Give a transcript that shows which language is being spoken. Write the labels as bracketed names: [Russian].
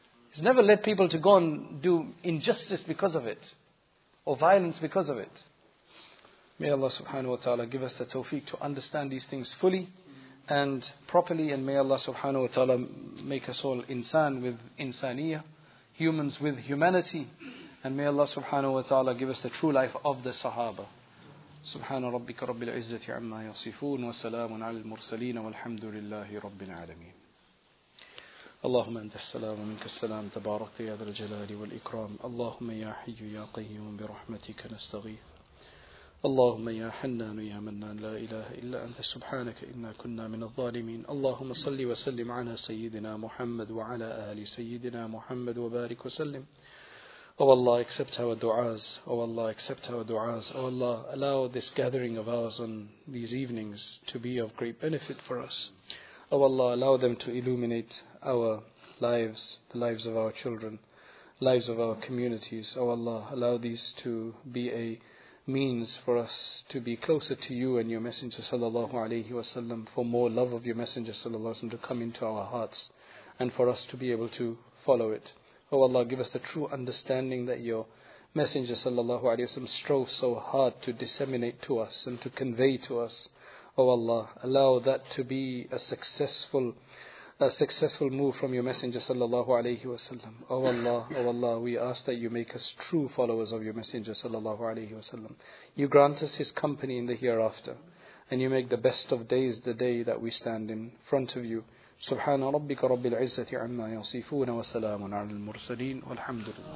[English] It's never led people to go and do injustice because of it, or violence because of it. May Allah subhanahu wa ta'ala give us the tawfiq to understand these things fully and properly. And may Allah subhanahu wa ta'ala make us all insan with insaniya, humans with humanity. And may Allah subhanahu wa ta'ala give us the true life of the Sahaba. [Arabic] سبحان ربك رب العزة عما يصفون وسلام على المرسلين والحمد لله رب العالمين اللهم أنت السلام ومنك السلام تبارك يا ذا الجلال والإكرام اللهم يا حي يا قيوم برحمتك نستغيث اللهم يا حنان يا منان لا إله إلا أنت سبحانك إنا كنا من الظالمين اللهم صل وسلم على سيدنا محمد وعلى آل سيدنا محمد وبارك وسلم [English] Oh Allah, accept our du'as. Oh Allah, accept our du'as. Oh Allah, allow this gathering of ours on these evenings to be of great benefit for us. Oh Allah, allow them to illuminate our lives, the lives of our children, lives of our communities. Oh Allah, allow these to be a means for us to be closer to you and your Messenger sallallahu alayhi wa sallam, for more love of your Messenger sallallahu alayhi wa sallam to come into our hearts and for us to be able to follow it. Oh Allah, give us the true understanding that your Messenger sallallahu alayhi wa sallam strove so hard to disseminate to us and to convey to us. Oh Allah, allow that to be a successful move from your Messenger sallallahu alayhi wa sallam. Oh Allah, we ask that you make us true followers of your Messenger sallallahu alayhi wa sallam. You grant us his company in the hereafter, and you make the best of days the day that we stand in front of you. [Arabic] سبحان ربك رب العزة عما يصفون وسلام على المرسلين والحمد لله